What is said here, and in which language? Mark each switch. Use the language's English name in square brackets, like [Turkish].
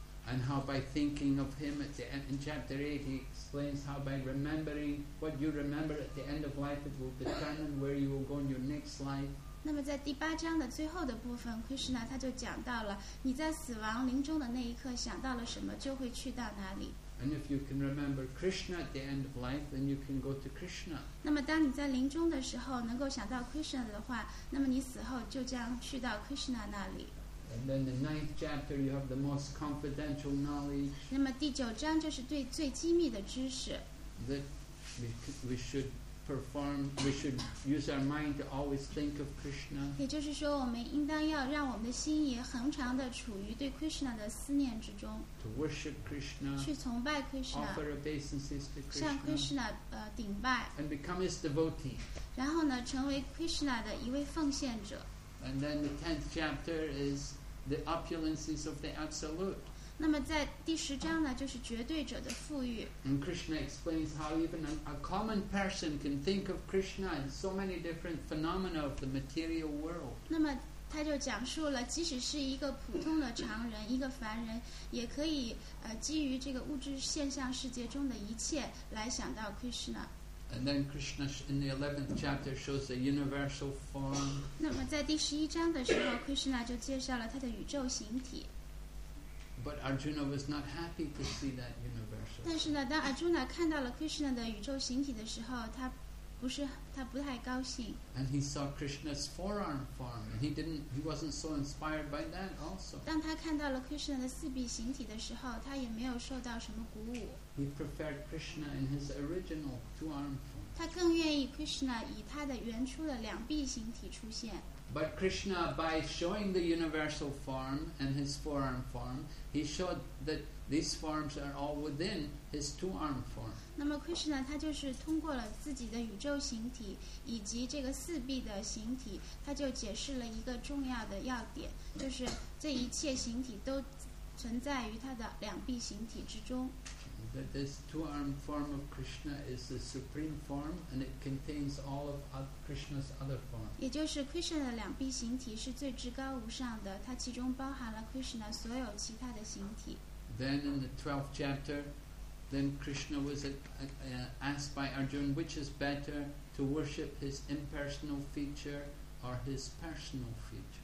[English] And how by thinking of him at the end, in chapter 8, he explains how by remembering what you remember at the end of life, it will determine where you will go in your next life. [Chinese] 那么在第八章的最后的部分， Krishna 他就讲到了你在死亡临终的那一刻想到了什么就会去到哪里。 [English] And if you can remember Krishna at the end of life, then you can go to Krishna. [Chinese] 那么当你在临终的时候能够想到 Krishna 的话，那么你死后就将去到 Krishna 那里。 [English] And then the ninth chapter, you have the most confidential knowledge. [Chinese] 那么第九章就是对最机密的知识。 [English] That we should perform, we should use our mind to always think of Krishna. [Chinese] 也就是说，我们应当要让我们的心也恒常的处于对 Krishna 的思念之中。 [English] To worship Krishna. [Chinese] 去崇拜 Krishna. [English] Offer obeisances to Krishna. [Chinese] 向 Krishna 顶拜。 [English] And become his devotee. [Chinese] 然后呢，成为 Krishna 的一位奉献者。 [English] And then the tenth chapter is the opulences of the absolute. [Chinese] 那么在第十章呢，就是绝对者的富裕。 [English] And Krishna explains how even a common person can think of Krishna in so many different phenomena of the material world. [Chinese] 那么他就讲述了，即使是一个普通的常人，一个凡人，也可以基于这个物质现象世界中的一切来想到 Krishna。 [English] And then Krishna in the 11th chapter shows the universal form. [Chinese] 那么在第十一章的时候， Krishna 就介绍了他的宇宙形体。 [English] But Arjuna was not happy to see that universal. [Chinese] 但是呢，当 Arjuna 看到了 Krishna 的宇宙形体的时候，他 [English] And he saw Krishna's forearm form, and he wasn't so inspired by that also. [Chinese] 当他看到了 Krishna的 四臂形体的时候, 他也没有受到什么鼓舞。 [English] He preferred Krishna in his original two-arm form. [Chinese] 他更愿意 Krishna以他的原初的两臂形体出现。 [English] But Krishna, by showing the universal form and his forearm form, he showed that these forms are all within his two-arm form. [Chinese] 那么 Krishna 他就是通过了自己的宇宙形体以及这个四臂的形体，他就解释了一个重要的要点，就是这一切形体都存在于他的两臂形体之中。 [English] That this two-arm form of Krishna is the supreme form, and it contains all of Krishna's other forms. [Chinese] 也就是 Krishna的两臂形体是最至高无上的，它其中包含了 Krishna所有其他的形体。 [English] Then in the 12th chapter, then Krishna was asked by Arjuna, which is better, to worship his impersonal feature or his personal feature?